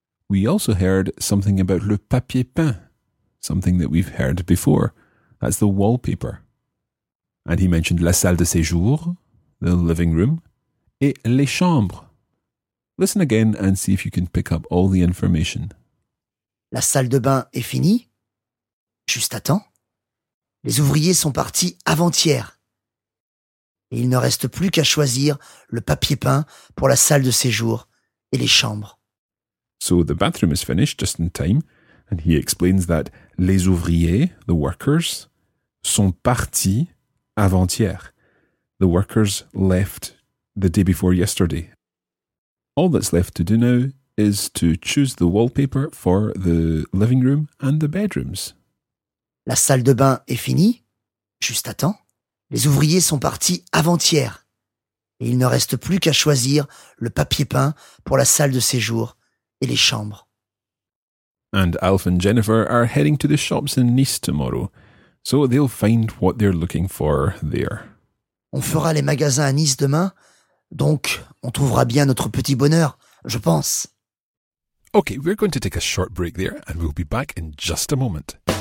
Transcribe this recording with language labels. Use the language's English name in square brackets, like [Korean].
[English] We also heard something about [French] le papier peint, [English] something that we've heard before. That's the wallpaper. And he mentioned [French] la salle de séjour, [English] the living room, [French] et les chambres. [English] Listen again and see if you can pick up all the information. [French] La salle de bain est finie, juste à temps. Les ouvriers sont partis avant-hier. Et il ne reste plus qu'à choisir le papier peint pour la salle de séjour et les chambres. [English] So the bathroom is finished just in time, and he explains that [French] les ouvriers, [English] the workers, [French] sont partis avant-hier. [English] The workers left the day before yesterday. All that's left to do now is to choose the wallpaper for the living room and the bedrooms. [French] La salle de bain est finie, juste à temps. Les ouvriers sont partis avant-hier. Et il ne reste plus qu'à choisir le papier peint pour la salle de séjour et les chambres. [English] And Alf and Jennifer are heading to the shops in Nice tomorrow. So they'll find what they're looking for there. [French] On fera les magasins à Nice demain. Donc, on trouvera bien notre petit bonheur, je pense. [English] Okay, we're going to take a short break there and we'll be back in just a moment.